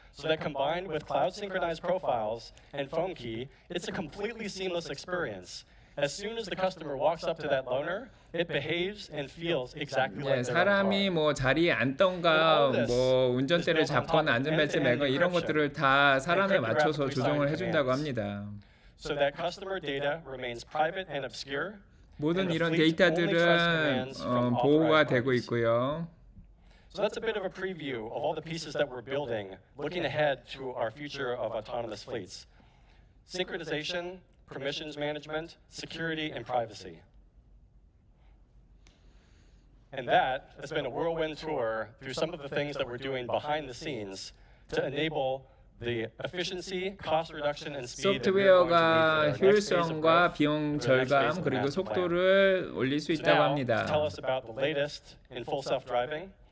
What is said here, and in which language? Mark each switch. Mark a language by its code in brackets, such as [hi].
[en] So that combined with cloud-synchronized profiles and phone key, it's a completely seamless experience. As soon as the customer walks up to that loaner, it behaves and feels exactly like their car. [ko] 사람이 뭐 자리에 앉던가 뭐 운전대를 잡거나 안전벨트 매거 이런 것들을 다 사람에 맞춰서 조정을 해준다고 합니다. [en] So that customer data remains private and obscure. [ko] 모든 이런 데이터들은 보호가 되고 있고요. [en] So that's a bit of a preview of all the pieces that we're building, looking ahead to our future of autonomous fleets. Synchronization, permissions management, security, and privacy. And that has been a whirlwind tour through some of the things that we're doing behind the scenes to enable the efficiency, cost reduction, and speed. [ko] 소프트웨어가 효율성과 비용 절감 그리고 속도를 올릴 수 있다고 합니다. [en] So now, tell us about the latest in full self-driving.